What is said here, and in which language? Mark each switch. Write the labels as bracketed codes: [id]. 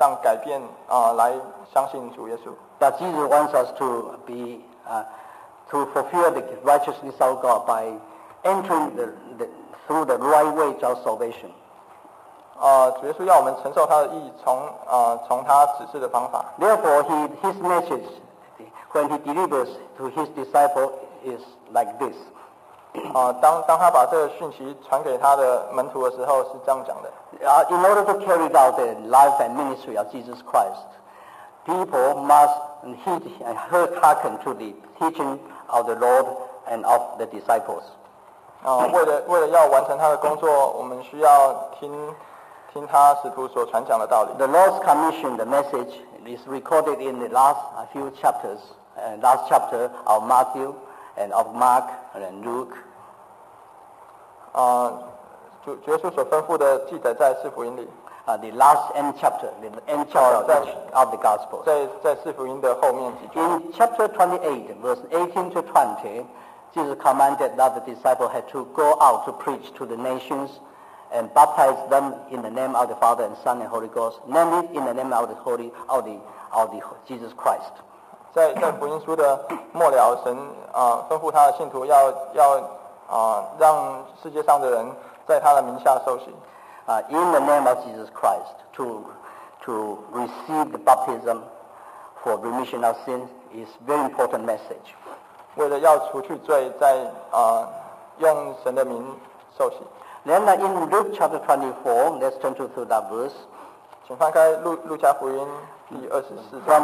[zh] 一个人要从生活以及习惯上改变，来相信主耶稣。 [en] But Jesus wants us to be to fulfill the righteousness of God by entering through the right way of salvation. [zh] 主耶稣要我们承受他的义，从他指示的方法。 [en] Therefore, his message when he delivers to his disciple is like this. [zh] 当他把这个讯息传给他的门徒的时候，是这样讲的。 [en] In order to carry out the life and ministry of Jesus Christ, people must heed and hearken to the teaching of the Lord and of the disciples. [zh] 为了要完成他的工作，我们需要听他使徒所传讲的道理。 [en] The Lord's commission, the message, is recorded in the last few chapters, last chapter of Matthew and of Mark and Luke. [zh] 主耶稣所吩咐的记载在四福音里。 [en] The last end chapter, the end chapter of the Gospel. [zh] 在四福音的后面几句。 [en] In chapter 28, verse 18 to 20, Jesus commanded that the disciples had to go out to preach to the nations and baptize them in the name of the Father and Son and Holy Ghost, namely in the name of the Holy, of the Jesus Christ. [zh] 在福音书的末了，神吩咐他的信徒要让世界上的人在他的名下受洗。 [en] In the name of Jesus Christ, to receive the baptism for remission of sins is very important message. [zh] 为了要除去罪，在用神的名受洗。 [en] Then in Luke chapter 24, let's turn to that verse. [zh] 请翻开路加福音第二十四章。